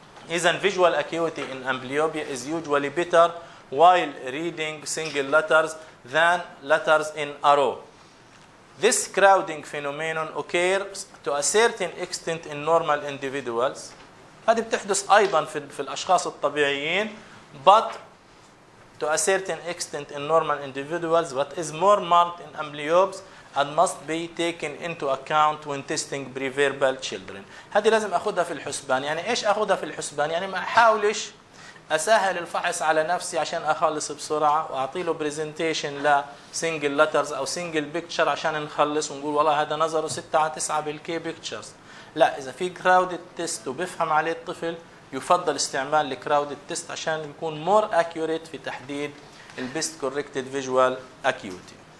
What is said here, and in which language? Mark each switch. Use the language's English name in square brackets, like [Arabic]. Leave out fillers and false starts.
[English] اذا visual acuity in amblyopia is usually better while reading single letters than letters in a row. This crowding phenomenon occurs to a certain extent in normal individuals. [Arabic] هذه بتحدث ايضا في الاشخاص الطبيعيين، [English] but to a certain extent in normal individuals, but is more marked in amblyopes and must be taken into account when testing preverbal children. [Arabic] هذه لازم اخذها في الحسبان. يعني ايش اخذها في الحسبان؟ يعني ما احاولش اسهل الفحص على نفسي عشان اخلص بسرعه واعطي له برزنتيشن [English] لسنجل لترز [Arabic] او سنجل بيكتشر عشان نخلص ونقول والله هذا نظره 6 على 9 بالكي بيكتشرز. لا، اذا في كراودد تيست وبفهم عليه الطفل يفضل استعمال الكراودد تيست عشان يكون [English] more accurate [Arabic] في تحديد البيست كوركتد فيجوال اكيوتي.